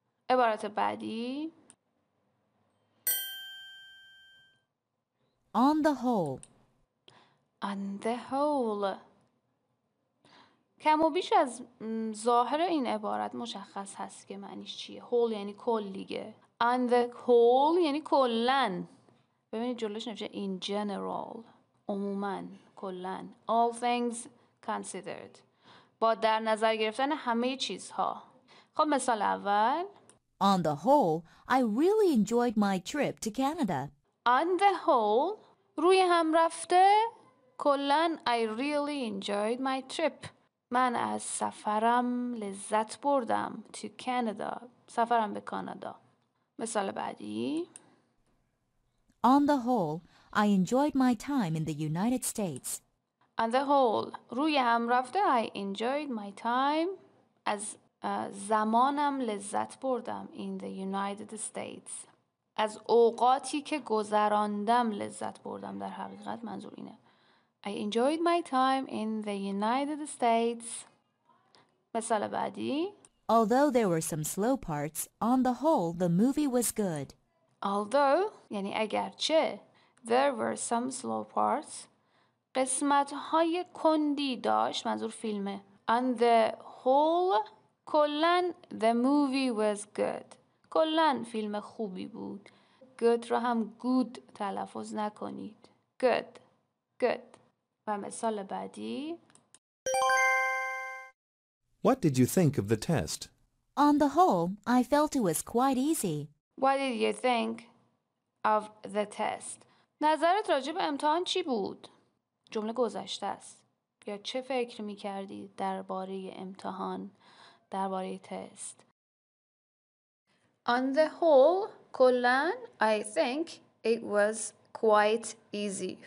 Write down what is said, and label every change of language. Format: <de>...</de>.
<fa>عبارت بعدی</fa> <en>On the whole. On the whole.</en> <fa>کم و بیش از ظاهر این عبارت مشخص هست که معنیش چیه. Whole یعنی کل دیگه.</fa> <en>On the whole</en> <fa>یعنی کلن. ببینید جلوش نوشته</fa> <en>in general.</en> <fa>عموماً کلن.</fa> <en>All things considered.</en> <fa>با در نظر گرفتن همه چیزها. خب مثال اول.</fa> <en>On the whole, I really enjoyed my trip to Canada. On the whole,</en> <fa>روی هم رفته کلن</fa> <en>I really enjoyed my trip.</en> <fa>من از سفرم لذت بردم</fa> <en>to Canada.</en> <fa>سفرم به کانادا. مثال بعدی</fa> <en>On the whole, I enjoyed my time in the United States. On the whole,</en> <fa>روی هم رفته</fa> <en>I enjoyed my time.</en> <fa>از زمانم لذت بردم</fa> <en>in the United States.</en> <fa>از اوقاتی که گذراندم لذت بردم در حقیقت منظور اینه.</fa> <en>I enjoyed my time in the United States.</en> <fa>مثال بعدی</fa> <en>Although there were some slow parts, on the whole, the movie was good. Although,</en> <fa>یعنی اگرچه,</fa> <en>there were some slow parts.</en> <fa>قسمت‌های کندی داشت, منظور فیلمه.</fa> <en>On the whole,</en> <fa>کلن,</fa> <en>the movie was good.</en> <fa>کلن فیلم خوبی بود. Good رو هم good تلفظ نکنید.</fa> <en>Good. Good.</en> <fa>و مثال بعدی</fa> <en>What did you think of the test? On the whole, I felt it was quite easy. What did you think of the test?</en> <fa>نظرت راجع به امتحان چی بود؟ جمله گذشته است. یا چه فکر می‌کردی درباره امتحان، درباره تست؟</fa> <en>On the whole,</en> <fa>کلاً</fa> <en>I think it was quite easy.</en>